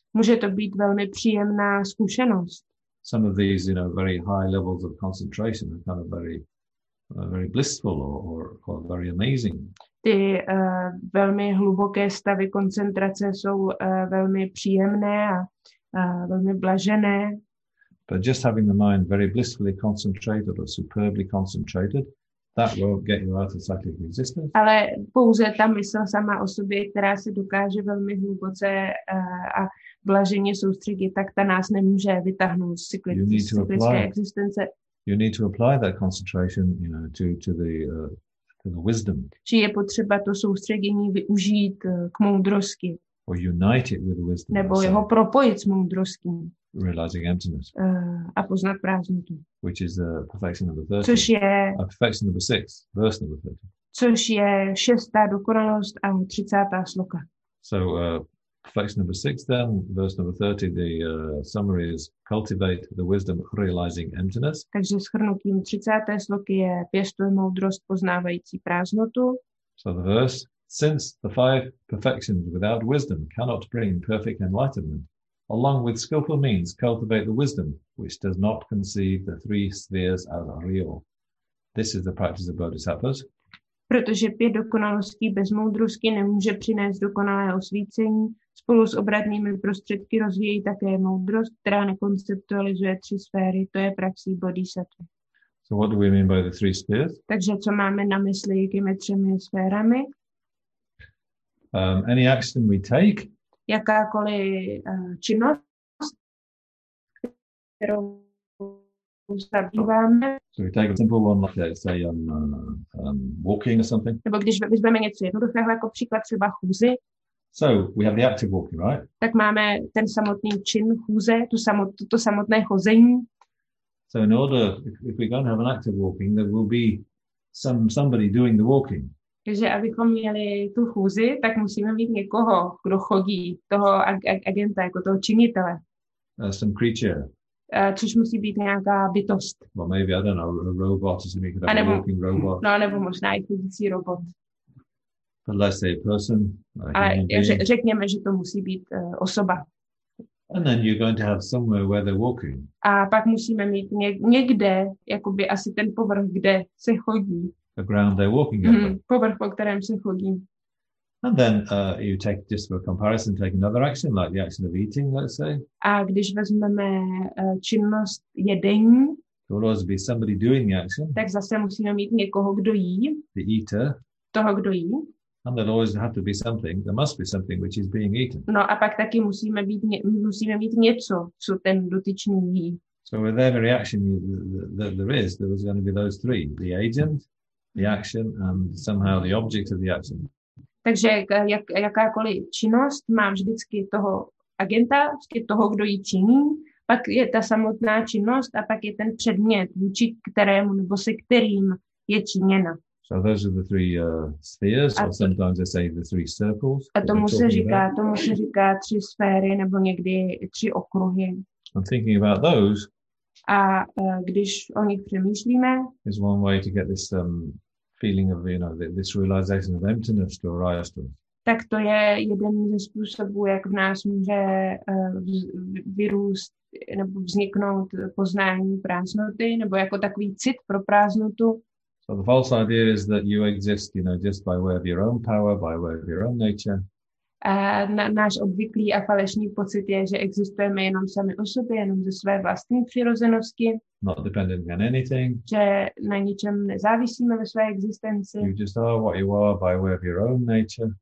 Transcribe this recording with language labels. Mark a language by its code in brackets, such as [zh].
[cs] Může to být velmi příjemná zkušenost. [en] Some of these, you know, very high levels of concentration are kind of very blissful or very amazing. [cs] Ty velmi hluboké stavy koncentrace jsou velmi příjemné a velmi blažené. [en] But just having the mind very blissfully concentrated or superbly concentrated, that will get you out of cyclic existence. [cs] Ale pouze ta mysl sama o sobě, která se dokáže velmi hluboce a blaženě soustředit, tak ta nás nemůže vytáhnout z cyklické existence. [en] You need to apply that concentration, you know, to the wisdom. [cs] Či je potřeba to soustředění využít k moudrosti. [en] Or unite it with wisdom. [cs] Nebo jeho propojit s moudrostí. [en] Realizing emptiness. [cs] A poznat prázdnotu. [en] Which is perfection number 30. [cs] Což je [en] perfection number 6, verse number 30. [cs] Což je šestá dokonalost a 30. sloka. [en] So perfection number 6 then, verse number 30, the summary is cultivate the wisdom of realizing emptiness. [cs] Takže shrnutím 30. sloky je pěstuj moudrost poznávající prázdnotu. [en] So the verse, since the five perfections without wisdom cannot bring perfect enlightenment, along with skillful means, cultivate the wisdom which does not conceive the three spheres as real. This is the practice of bodhisattvas. [cs] Protože pět dokonalostí bez moudrosti nemůže přinést dokonalé osvícení, spolu s obratnými prostředky rozvíjí také moudrost, která nekonceptualizuje tři sféry. To je praxí bodhisattva. [en] So what do we mean by the three spheres? [cs] Takže co máme na mysli, jakými třemi sférami? [en] Any action we take, [cs] jakákoliv činnost, kterou zabýváme. [en] So we take a simple one, like say walking or something. [cs] Nebo když vezmeme něco jednoduchého, jako příklad třeba chůzi. [en] So we have the act of walking, right? [cs] Tak máme ten samotný čin chůze, to samotné chození. [en] So in order, if we're going to have an act of walking, there will be somebody doing the walking. [cs] Takže abychom měli tu chůzi, tak musíme mít někoho, kdo chodí, toho agenta, jako toho činitele. [en] Some creature. [cs] Což musí být nějaká bytost. [en] Well, maybe, I don't know, a robot, or something, a [cs] nebo, [en] a walking robot. [cs] No, nebo možná i chodící robot. [en] But let's say a person. [cs] Řekněme, že to musí být osoba. [en] And then you're going to have somewhere where they're walking. [cs] A pak musíme mít někde, jakoby asi ten povrch, kde se chodí. [en] The ground they're walking over. [cs] Povrch, po kterém se chodí. [en] And then you take, just for comparison, take another action, like the action of eating, let's say. [cs] A když vezmeme činnost jedení, [en] there will always be somebody doing the action. [cs] Tak zase musíme mít někoho, kdo jí. [en] The eater. [cs] Toho, kdo jí. [en] And there always have to be something, there must be something which is being eaten. [cs] No a pak taky musíme mít něco, co ten dotyčný jí. [en] So with every reaction that there was going to be those three, the agent, the action, and somehow the object of the action. [cs] Takže jakákoliv činnost má vždycky toho agenta, vždycky toho, kdo ji činí, pak je ta samotná činnost a pak je ten předmět, vůči kterému nebo se kterým je činěna. [en] So those are the three spheres, or sometimes they say the three circles. [cs] A tomu se říká tři sféry, nebo někdy tři okruhy. [en] I'm thinking about those. [cs] A když o nich přemýšlíme, [en] is one way to get this feeling of, you know, this realization of emptiness to arise to. [cs] Tak to je jeden ze způsobů, jak v nás může vyrůst nebo vzniknout poznání prázdnoty, nebo jako takový cit pro prázdnotu. [en] So the false idea is that you exist, you know, just by way of your own power, by way of your own nature. [cs] Náš obvyklý a falešný pocit je, že existujeme jenom sami o sobě, jenom ze své vlastní přirozenosti. [en] Not dependent on anything. [cs] Že na ničem nezávisíme ve své existenci. [en] You just are what you are by way of your own nature.